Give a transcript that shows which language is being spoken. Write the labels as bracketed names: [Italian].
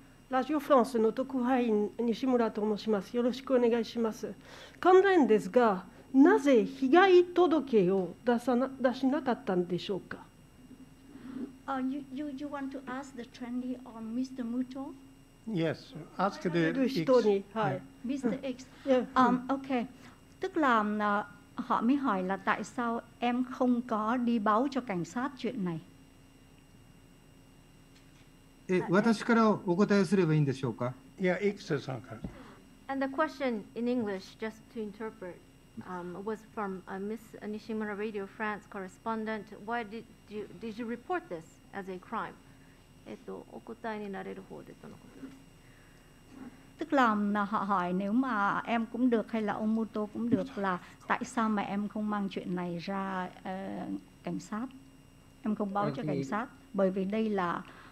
[Japanese] ラジオフランスの特派員西村と申します。よろしくお願いします。関連ですが、なぜ被害届を出しなかったんでしょうか。 [English] You want to ask the trainee or Mr. Muto? Yes, ask the X. Mr. X. [Vietnamese] Okay, tức là họ mới hỏi là tại sao em không có đi báo cho cảnh sát chuyện này. [Japanese] 私からお答えすればいいんでしょうか。いや、エクセさんから。 [English] And the question in English, just to interpret, was from Miss Nishimura Radio France correspondent. Why did you report this as a crime? [Japanese] お答えになれる方でとのことです。 [Vietnamese] Tức là họ hỏi nếu mà em cũng được hay là ông Muto cũng được là tại sao mà em không mang chuyện này ra cảnh sát? Em không báo cho cảnh sát bởi vì đây là